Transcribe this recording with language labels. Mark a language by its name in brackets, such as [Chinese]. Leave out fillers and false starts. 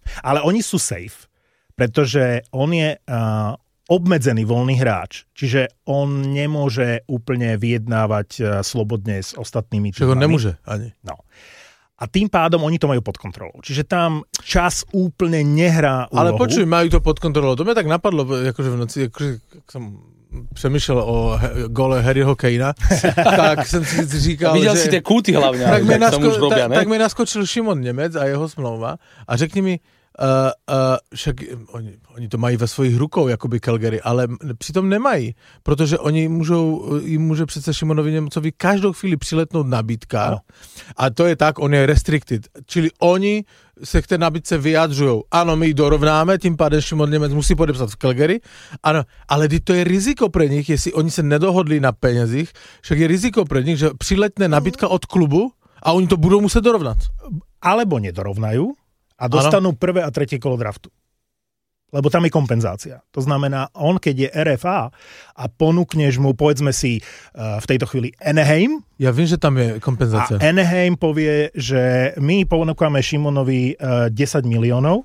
[Slovak] Ale oni sú safe, pretože on je obmedzený voľný hráč, čiže on nemôže úplne vyjednávať slobodne s ostatnými týmami. Čiže on nemôže ani. No. A tým pádom oni to majú pod kontrolou. Čiže tam čas úplne nehrá úlohu. Ale počuj, majú to pod kontrolou. To mi tak napadlo, akože v noci, akože som [Czech] přemýšlel [Slovak] o gole Harryho Kanea, tak som si [Czech] říkal, [Slovak] videl že... Videl si tie kúty hlavne. Tak mi naskočil [Czech] Šimon Nemec a jeho smlouva a řekni mi, však oni to mají ve svojich rukou, jakoby Calgary, ale přitom nemají, protože oni můžou, jim může přece Šimonovi Němcovi každou chvíli přiletnout nabídka, no. A to je tak, on je restricted, čili oni se k té nabídce vyjadřují, ano, my ji dorovnáme, tím pádem Šimon Němec musí podepsat v Calgary, ano, ale to je riziko pro nich, jestli oni se nedohodli na penězích, však je riziko pro nich, že přiletne nabídka od klubu a oni to budou muset dorovnat. [Slovak] Alebo nedorovnají. A dostanú ano. Prvé a tretie kolo draftu. Lebo tam je kompenzácia. To znamená, on keď je RFA a ponúkneš mu, povedzme si v tejto chvíli Anaheim. Ja viem, že tam je kompenzácia. A Anaheim povie, že my ponúkame Šimonovi 10 miliónov.